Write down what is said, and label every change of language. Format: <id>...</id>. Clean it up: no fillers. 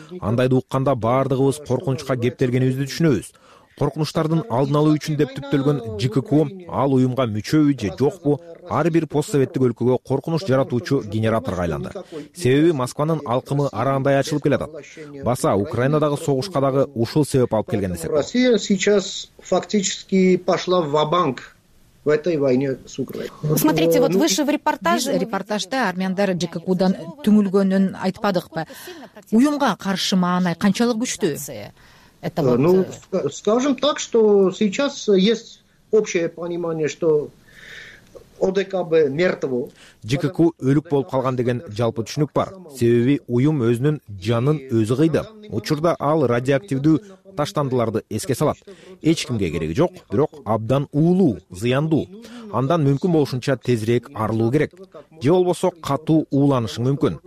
<ky>Андайды укканда баардыгыбыз коркунучка кептелгенибизди түшүнөбүз. Коркунучтардын алдын алуу үчүн деп түптөлгөн ЖККУ ал уюмга мүчөбү же жокпу, ар бир постсоветтик өлкөгө коркунуч жаратуучу генераторго айланды. Себеби Москванын алкымы араандай ачылып келатат. Баса Украинадагы согушка дагы ушул себеп алып келген десек.</ky> <ru>Россия сейчас фактически пошла ва-банк. В этой войне с Украиной. Смотрите, вот выше в репортаже.</ru> <ky>Репортажда армяндар ЖККУдан түңүлгөнүн айтпадыкпы? Уюмга каршы маанай канчалык күчтүү?</ky> <ru>Это вот... Ну, скажем так, что сейчас есть общее понимание, что ОДКБ мертво.</ru> <ky>ЖККУ өлүк болуп калган деген жалпы түшүнүк бар. Себеби уюм өзүнүн жанын өзү кыйды. Учурда ал радиоактивдүү таштандыларды эске салат. Эч кимге кереги жок, бирок абдан уулуу, зыяндуу. Андан мүмкүн болушунча тезирээк арылуу керек. Же болбосо катуу ууланышың мүмкүн.</ky>